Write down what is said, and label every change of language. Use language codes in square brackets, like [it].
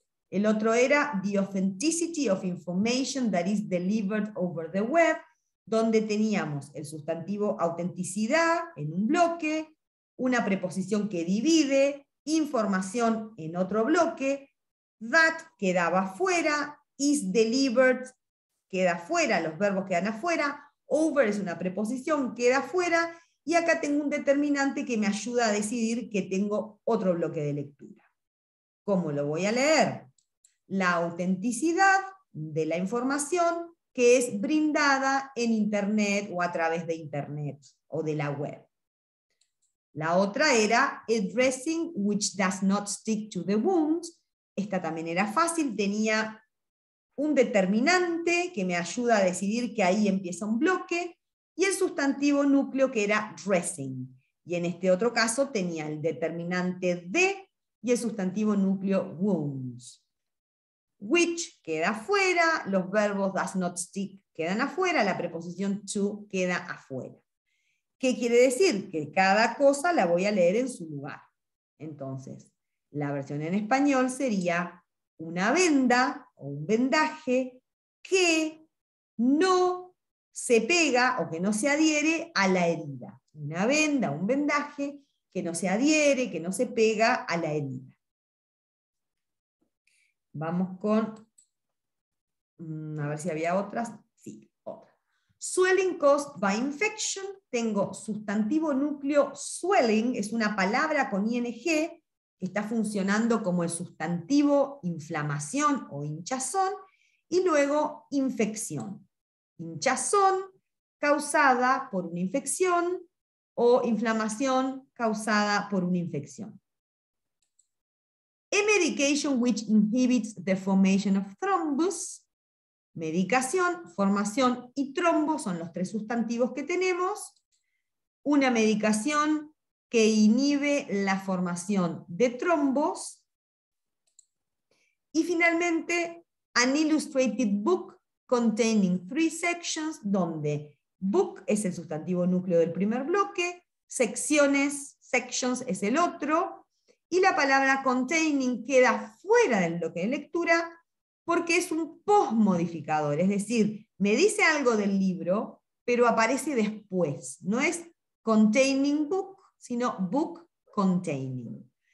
[es] El otro era [en] the authenticity of information that is delivered over the web, [es] donde teníamos el sustantivo autenticidad en un bloque, una preposición que divide, información en otro bloque, that quedaba fuera, [en] is delivered [es] queda fuera, los verbos quedan afuera, over es una preposición, queda fuera, y acá tengo un determinante que me ayuda a decidir que tengo otro bloque de lectura. ¿Cómo lo voy a leer? La autenticidad de la información que es brindada en Internet o a través de Internet o de la web. La otra era [en] addressing which does not stick to the wounds. [es] Esta también era fácil, tenía un determinante que me ayuda a decidir que ahí empieza un bloque, y el sustantivo núcleo que era dressing. Y en este otro caso tenía el determinante de y el sustantivo núcleo wounds. Which queda afuera, los verbos [en] does not stick [es] quedan afuera, la preposición to queda afuera. ¿Qué quiere decir? Que cada cosa la voy a leer en su lugar. Entonces, la versión en español sería una venda o un vendaje que no se pega o que no se adhiere a la herida. Una venda, un vendaje que no se adhiere, que no se pega a la herida. Vamos con, a ver si había otras. Sí, otra. [en] Swelling caused by infection. [es] Tengo sustantivo núcleo swelling, es una palabra con ing que está funcionando como el sustantivo inflamación o hinchazón, y luego infección. Hinchazón causada por una infección o inflamación causada por una infección. [en] A medication which inhibits the formation of thrombus. [es] Medicación, formación y trombo son los tres sustantivos que tenemos. Una medicación que inhibe la formación de trombos. Y finalmente, [en] an illustrated book containing three sections, [es] donde book es el sustantivo núcleo del primer bloque, secciones, sections es el otro, y la palabra containing queda fuera del bloque de lectura porque es un posmodificador, es decir, me dice algo del libro, pero aparece después. No es [en] containing book, [es] sino [en] book containing.